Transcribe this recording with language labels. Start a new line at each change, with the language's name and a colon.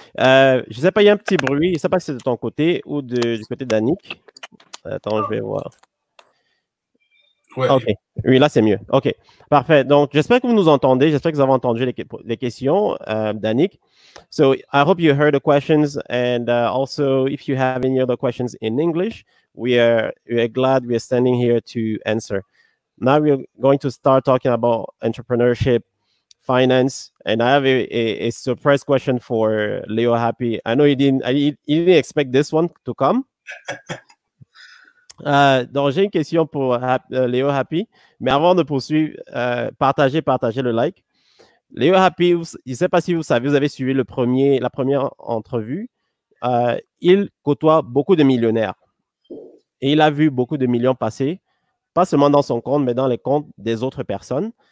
French: Je ne sais pas, il y a un petit bruit. Je ne sais pas si c'est de ton côté ou du côté d'Annick. Attends, je vais voir. Ouais. Okay. Oui, là, c'est mieux. OK, parfait. Donc, j'espère que vous nous entendez. J'espère que vous avez entendu les questions d'Annick.
English: So I hope you heard the questions. And also, if you have any other questions in English, we are glad we are standing here to answer. Now we're going to start talking about entrepreneurship, finance, and I have a surprise question for Leo Happy. I know you didn't expect this one to come.
French: Donc j'ai une question pour Leo Happy, mais avant de poursuivre, partagez le like. Leo Happy, je ne sais pas si vous savez, vous avez suivi la première entrevue. Il côtoie beaucoup de millionnaires et il a vu beaucoup de millions passer, pas seulement dans son compte, mais dans les comptes des autres personnes.